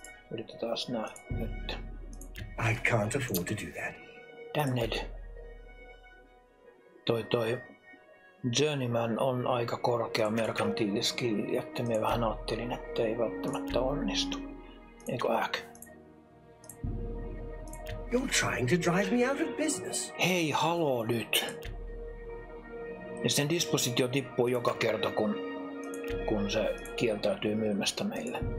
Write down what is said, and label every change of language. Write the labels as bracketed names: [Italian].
[Finnish] Yritetään nää nyt. [English] I can't afford to do that. Damn it. [Finnish] Toi. Journeyman on aika korkea merkantiiliskilli, että mä vähän ajattelin, että ei välttämättä onnistu. Eikö ääkö? [English] You're trying to drive me out of business. [Finnish] Hei, haloo nyt. Ja sen dispositio tippuu joka kerta, kun se kieltäytyy myymästä meille.